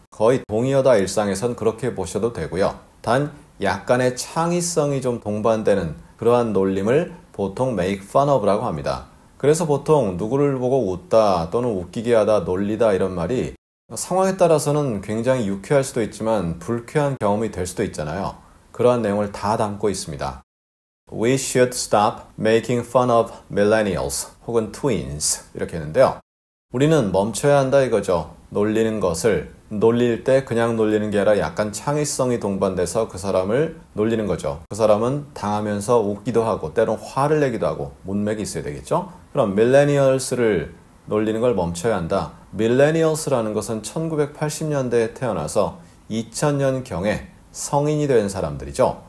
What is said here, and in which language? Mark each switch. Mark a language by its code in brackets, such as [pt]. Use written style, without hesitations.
[ko] 거의 동의어다 일상에선 그렇게 보셔도 되고요. 단 약간의 창의성이 좀 동반되는 그러한 놀림을 보통 make fun of라고 합니다. 그래서 보통 누구를 보고 웃다 또는 웃기게 하다 놀리다 이런 말이 상황에 따라서는 굉장히 유쾌할 수도 있지만 불쾌한 경험이 될 수도 있잖아요. 그러한 내용을 다 담고 있습니다. [en] We should stop making fun of millennials [ko] 혹은 twins 이렇게 했는데요. 우리는 멈춰야 한다 이거죠. 놀리는 것을 놀릴 때 그냥 놀리는 게 아니라 약간 창의성이 동반돼서 그 사람을 놀리는 거죠. 그 사람은 당하면서 웃기도 하고 때론 화를 내기도 하고 문맥이 있어야 되겠죠. 그럼 millennials를 놀리는 걸 멈춰야 한다. millennials라는 것은 1980년대에 태어나서 2000년경에 성인이 된 사람들이죠.